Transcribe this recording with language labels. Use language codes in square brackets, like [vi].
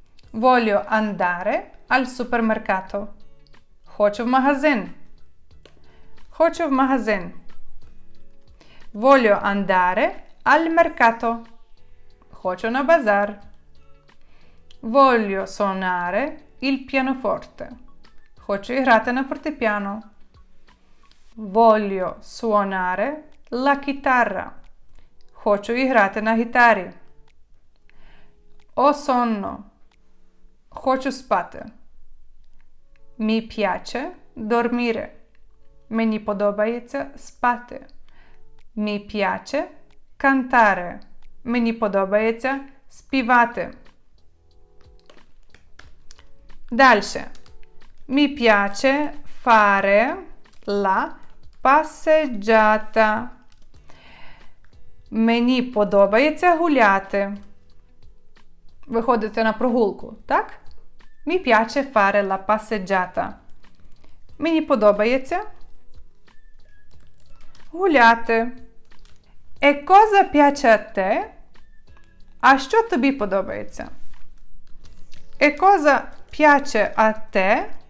[it] Voglio andare al supermercato. [uk] Хочу в магазин. Хочу в магазин. [it] Voglio andare al mercato. [uk] Хочу на базар. [it] Voglio suonare il pianoforte. [uk] Хочу грати на фортепіано. [it] Voglio suonare la chitarra. [uk] Хочу грати на гітарі. [it] Ho sonno. [uk] Хочу спати. [it] Mi piace dormire. [uk] Мені подобається спати. [it] Mi piace cantare. [uk] Мені подобається співати. Далі. [it] Mi piace fare la passeggiata. [uk] Мені подобається гуляти. Виходити на прогулку, так? [it] Mi piace fare la passeggiata. [uk] Мені подобається гуляти. [it] E cosa piace a te? [uk] А що тобі подобається? [it] E cosa piace a te?